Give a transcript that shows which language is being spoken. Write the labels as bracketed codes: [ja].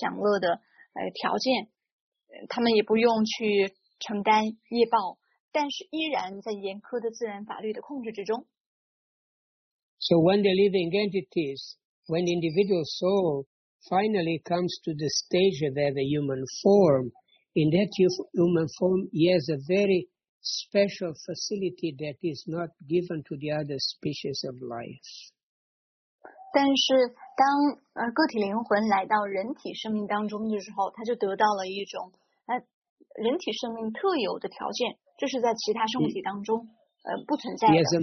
[zh] 的确在更低等的生物体的生命形式当中，存在着自由的感官享乐的条件。他们也不用去承担业报，但是依然在严苛的自然法律的控制之中。 [en] So when the living entities, when the individual soul finally comes to the stage of the human form, in that human form, he has a very special facility that is not given to the other species of life. [zh] 但是当个体灵魂来到人体生命当中的时候，他就得到了一种 人体生命特有的条件，这是在其他生物体当中不存在的。